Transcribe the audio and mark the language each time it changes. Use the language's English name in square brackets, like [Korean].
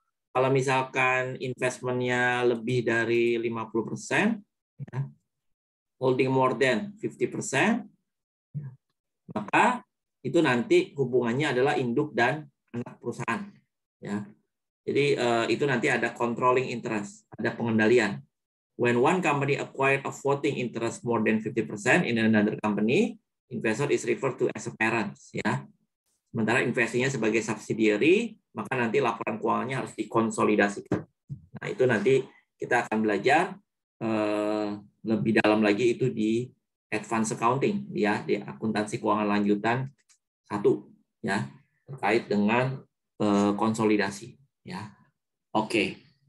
[Indonesian] Kalau misalkan investmentnya lebih dari 50% ya, [English] holding more than 50%, [Indonesian] maka itu nanti hubungannya adalah induk dan anak perusahaan ya. Jadi itu nanti ada controlling interest, ada pengendalian. [English] When one company acquired a voting interest more than 50% in another company, investor is referred to as a parent ya. [Indonesian] Sementara investasinya sebagai subsidiary, maka nanti laporan keuangannya harus dikonsolidasikan. Nah, itu nanti kita akan belajar lebih dalam lagi itu di advanced accounting ya, di akuntansi keuangan lanjutan 1 ya, terkait dengan konsolidasi ya. Oke.